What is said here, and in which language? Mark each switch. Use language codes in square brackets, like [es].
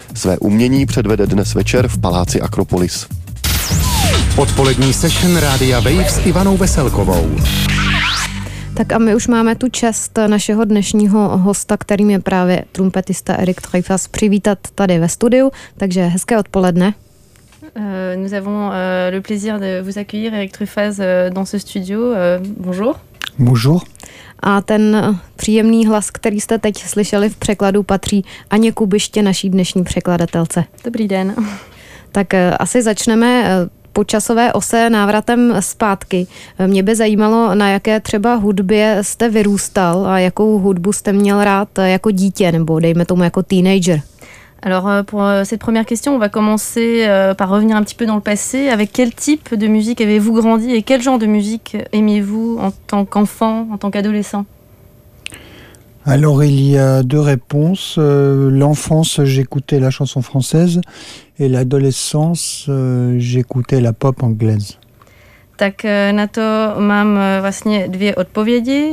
[cs] Své umění předvede dnes večer v Paláci Akropolis. Odpolední session Rádia Wave s Ivanou Veselkovou. Tak a my už máme tu čest našeho dnešního hosta, kterým je právě trumpetista Eric Triffa, přivítat tady ve studiu, takže hezké odpoledne. [fr] Nous avons le plaisir de vous accueillir Eric Triffa dans ce studio. Bonjour. Bonjour. [cs] A ten příjemný hlas, který jste teď slyšeli v překladu, patří Aně Kubiště, naší dnešní překladatelce. Dobrý den. Tak asi začneme po časové ose návratem zpátky. Mě by zajímalo, na jaké třeba hudbě jste vyrůstal a jakou hudbu jste měl rád jako dítě, nebo dejme tomu jako teenager. [fr] Alors pour cette première question, on va commencer par revenir un petit peu dans le passé. Avec quel type de musique avez-vous grandi et quel genre de musique aimiez-vous en tant qu'enfant, en tant qu'adolescent? Alors il y a deux réponses. L'enfance, j'écoutais la chanson française et l'adolescence, j'écoutais la pop anglaise. [cs] Tak na to mám vlastně dvě odpovědi.